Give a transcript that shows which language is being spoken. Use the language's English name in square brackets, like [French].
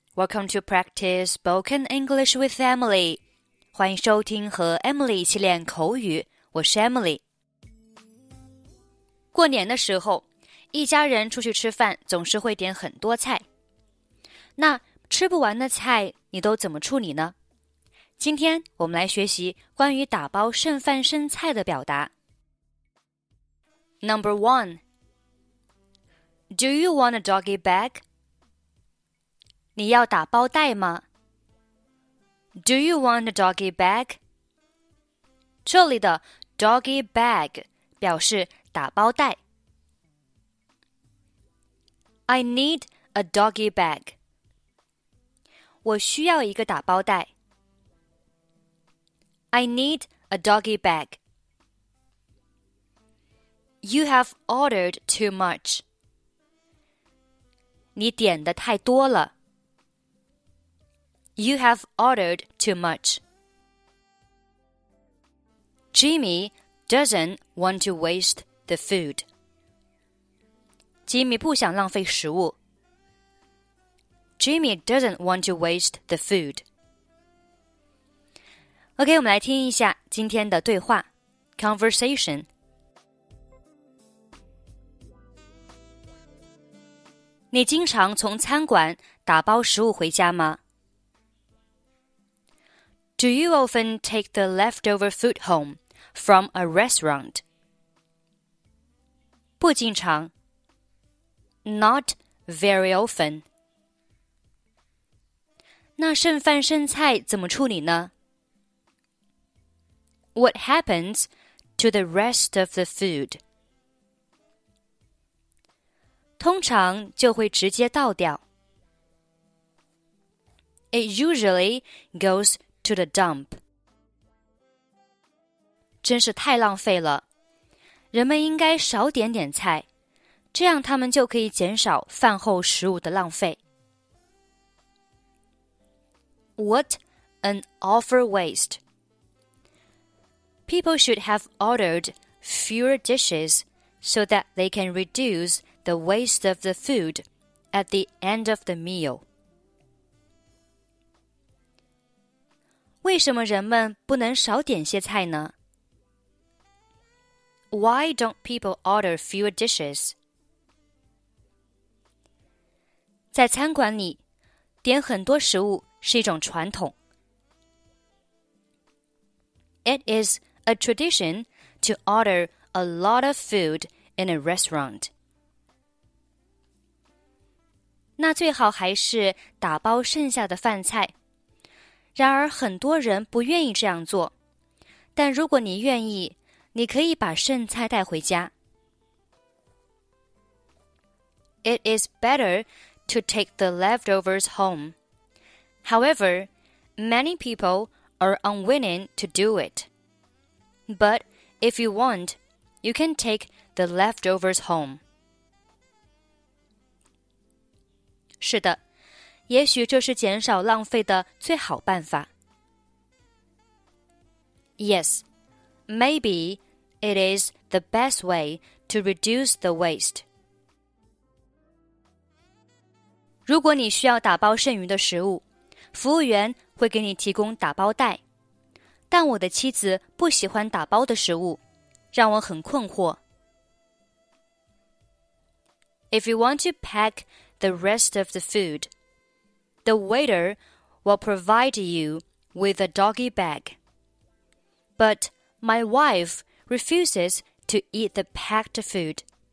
[English] Welcome to practice spoken English with Emily. [Chinese] 欢迎收听和 Emily 一起练口语。我是 Emily。过年的时候，一家人出去吃饭，总是会点很多菜。那吃不完的菜，你都怎么处理呢？今天我们来学习关于打包剩饭剩菜的表达。 [English] Number one, do you want a doggy bag? [Chinese] 你要打包袋吗 [English] ?Do you want a doggy bag? [Chinese] 这里的 doggy bag 表示打包袋。 [English] I need a doggy bag. [Chinese] 我需要一个打包袋。 [English] I need a doggy bag. You have ordered too much. [Chinese] 你点的太多了。 [English] You have ordered too much. Jimmy doesn't want to waste the food. [Chinese] Jimmy 不想浪费食物。 [English] Jimmy doesn't want to waste the food. [Chinese] OK, 我们来听一下今天的对话 Conversation. Conversation. 你经常从餐馆打包食物回家吗？ [English] Do you often take the leftover food home from a restaurant? [Chinese] 不经常。 [English] Not very often. [Chinese] 那剩饭剩菜怎么处理呢? [English] What happens to the rest of the food? [Chinese] 通常就会直接倒掉。 [English] It usually goes to the to the dump. [Chinese] 真是太浪费了。人们应该少点点菜，这样他们就可以减少饭后食物的浪费。 [English] What an awful waste. People should have ordered fewer dishes so that they can reduce the waste of the food at the end of the meal. [Chinese] 为什么人们不能少点些菜呢? [English] Why don't people order fewer dishes? [Chinese] 在餐馆里，点很多食物是一种传统。 [English] It is a tradition to order a lot of food in a restaurant. [Chinese] 那最好还是打包剩下的饭菜。然而很多人不愿意这样做。但如果你愿意，你可以把剩菜带回家。 [English] It is better to take the leftovers home. However, many people are unwilling to do it. But if you want, you can take the leftovers home. [Chinese] 是的。也许这是减少浪费的最好办法。 [English] Yes, maybe it is the best way to reduce the waste. [Chinese] 如果你需要打包剩余的食物，服务员会给你提供打包袋。但我的妻子不喜欢打包的食物，让我很困惑。 [English] If you want to pack the rest of the food,The waiter will provide you with a doggy bag. But my wife refuses to eat the packed food.